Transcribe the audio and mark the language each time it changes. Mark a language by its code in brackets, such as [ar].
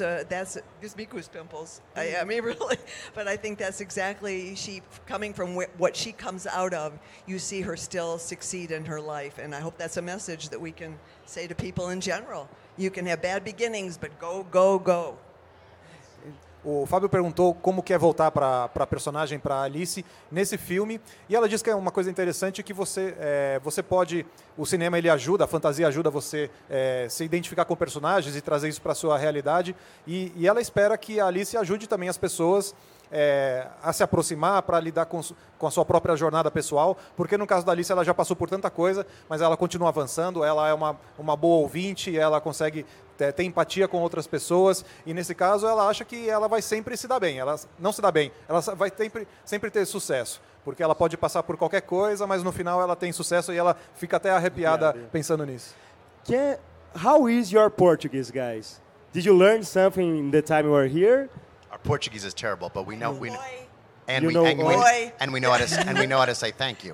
[en] gives me goosebumps. But I think that's exactly she coming from what she comes out of. You see her still succeed in her life, and I hope that's a message that we can say to people in general. You can have bad beginnings, but go, go, go. [pt] O Fábio perguntou como que é voltar para a personagem, para Alice, nesse filme. E ela diz que é uma coisa interessante que você pode... O cinema, ele ajuda, a fantasia ajuda você se identificar com personagens e trazer isso para a sua realidade. E ela espera que a Alice ajude também as pessoas a se aproximar, para lidar com a sua própria jornada pessoal. Porque, no caso da Alice, ela já passou por tanta coisa, mas ela continua avançando. Ela é uma boa ouvinte, ela consegue... tem empatia com outras pessoas, e nesse caso ela acha que ela vai sempre se dar bem. Ela não se dá bem, ela vai sempre ter sucesso, porque ela pode passar por qualquer coisa, mas no final ela tem sucesso e ela fica até arrepiada pensando nisso. [en] How is your Portuguese, guys? Did you learn something in the time you were here? Our Portuguese is terrible, but we know boy. And we know how to say thank you.